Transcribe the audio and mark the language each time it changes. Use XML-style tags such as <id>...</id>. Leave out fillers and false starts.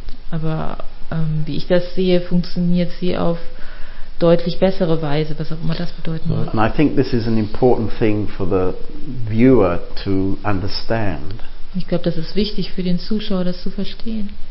<de>Aber wie ich das sehe, funktioniert sie auf deutlich bessere Weise, was auch immer das bedeuten wird.</de> <en>And I think this is an important thing for the viewer to understand.</en> <de>Ich glaube, das ist wichtig für den Zuschauer, das zu verstehen.</de>